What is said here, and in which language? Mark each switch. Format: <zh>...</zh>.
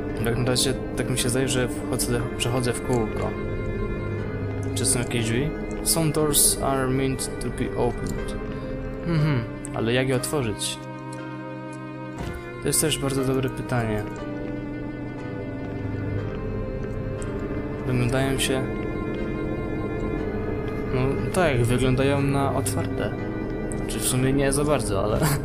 <pl>Jak na razie tak mi się zdaje, że przechodzę w kółko. Czy są jakieś drzwi?</pl> <en>Some doors are meant to be opened.</en> <pl>Ale jak je otworzyć? To jest też bardzo dobre pytanie. Wyglądają się... No tak, wyglądają na otwarte. Znaczy w sumie nie za bardzo, ale...</pl>